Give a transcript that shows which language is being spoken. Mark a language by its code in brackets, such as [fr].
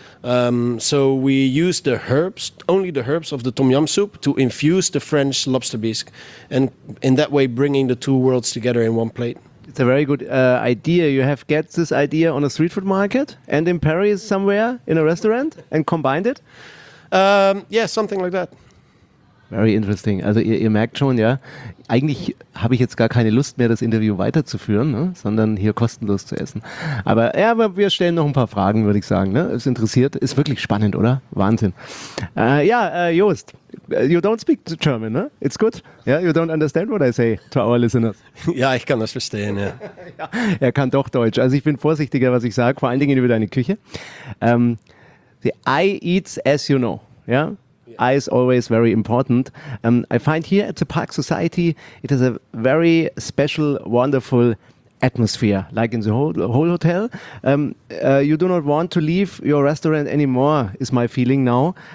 [en] So we used the herbs, only the herbs of the tom yum soup, to infuse the French lobster bisque, and in that way, bringing the two worlds together in one plate. It's a very good idea. You have get this idea on a street food market and in Paris somewhere in a restaurant and combined it? Yeah, something like that. Very interesting. [de] Also ihr merkt schon, ja, eigentlich habe ich jetzt gar keine Lust mehr, das Interview weiterzuführen, ne? Sondern hier kostenlos zu essen. Aber ja, aber wir stellen noch ein paar Fragen, würde ich sagen. Ne? Es interessiert, ist wirklich spannend, oder? Wahnsinn. [en] Joost, you don't speak German, ne? It's good. Yeah, you don't understand what I say to our listeners. [de] Ja, ich kann das verstehen, ja. Er kann doch Deutsch. Also ich bin vorsichtiger, was ich sage, vor allen Dingen über deine Küche. [en] I eat as you know, ja? Yeah? Eye is always very important. I find here at the Park Society, it has a very special, wonderful atmosphere, like in the whole hotel. You do not want to leave your restaurant anymore, is my feeling now.